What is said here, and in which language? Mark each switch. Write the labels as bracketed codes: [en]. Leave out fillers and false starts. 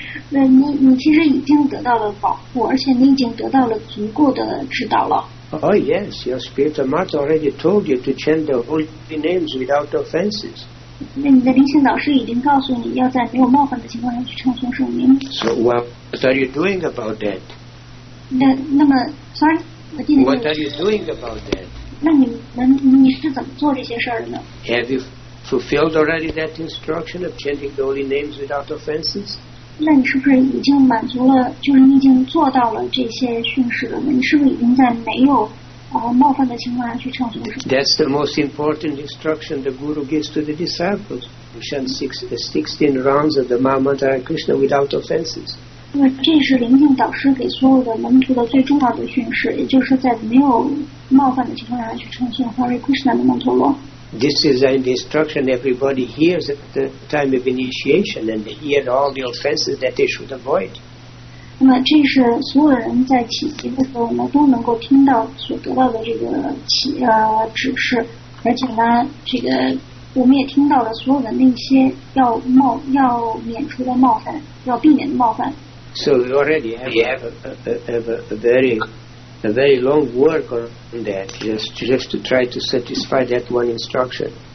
[zh] 你其实已经得到了保护，而且你已经得到了足够的指导了。 [en] Oh yes, your spiritual master already told you to chant the holy names without offenses. [zh] 那你的灵性导师已经告诉你要在没有冒犯的情况下去唱诵圣名。 [en] So what are you doing about that? [zh] 那么 [en] are you doing about that? [zh] 那你是怎么做这些事儿的呢？ [en] Have you fulfilled already that instruction of chanting the holy names without offenses? [zh] 那你是不是已经满足了？就是你已经做到了这些训示了吗？你是不是已经在没有冒犯的情况下去唱诵？ [en] That's the most important instruction the guru gives to the disciples. Chant 16 rounds of the Mahamantra Krishna without offenses. [zh] 那这是灵性导师给所有的门徒的最重要的训示，也就是在没有冒犯的情况下去唱诵 Hare Krishna 的曼陀罗。 [en] This is an instruction everybody hears at the time of initiation, and they hear all the offenses that they should avoid. [zh] 那么这是所有人在起集的时候呢，都能够听到所得到的这个指示，而且呢，这个我们也听到了所有的那些要免除的冒犯，要避免的冒犯。 [en] So we already have a very long work on that, just to try to satisfy that one instruction.